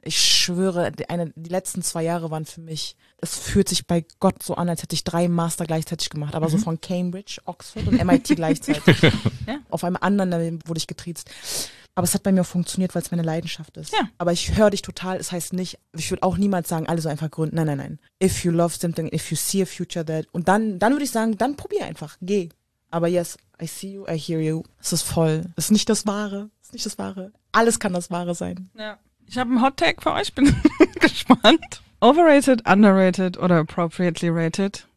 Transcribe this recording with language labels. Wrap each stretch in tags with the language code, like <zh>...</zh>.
<de>Ich schwöre, die letzten 2 Jahre waren für mich, es fühlt sich bei Gott so an, als hätte ich 3 Master gleichzeitig gemacht. Aber so von Cambridge, Oxford und MIT gleichzeitig. Ja. Auf einem anderen Level wurde ich getriezt. Aber es hat bei mir auch funktioniert, weil es meine Leidenschaft ist. Ja. Aber ich höre dich total. Es heißt nicht, ich würde auch niemals sagen, alle so einfach gründen. Nein.</de> <en>If you love something, if you see a future that.</en> <de>Und dann würde ich sagen, dann probier einfach. Geh. Aber</de> <en>yes, I see you, I hear you.</en> <de>Es ist voll. Es ist nicht das Wahre. Es ist nicht das Wahre. Alles kann das Wahre sein. Ja. Ich habe einen Hot Take für euch. Bin gespannt.</de> <en>Overrated, underrated oder appropriately rated?</en>